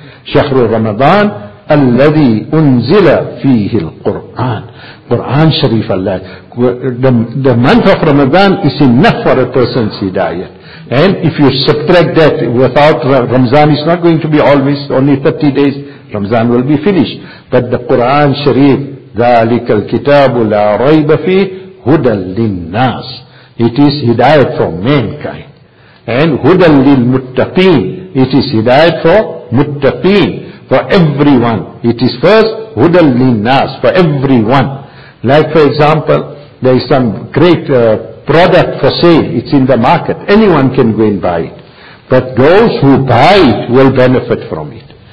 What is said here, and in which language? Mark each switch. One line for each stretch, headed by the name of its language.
English: Shahr al-Ramadan,
Arabic: الذي أنزل فيه القرآن قرآن شريف الله
English: the month of Ramadan is enough for a person's hidayah. And if you subtract that without Ramadan, it's not going to be always only 30 days. Ramadan will be finished. But the Quran Sharif,
Arabic: ذلك الكتاب لا ريب فيه هدى للناس.
English: It is hidayah for mankind.
Arabic: And هدى للمتقين.
English: It is hidayah for متقين. For everyone. It is first hudal linnas, for everyone. Like for example, there is some great product for sale. It's in the market. Anyone can go and buy it. But those who buy it will benefit from it.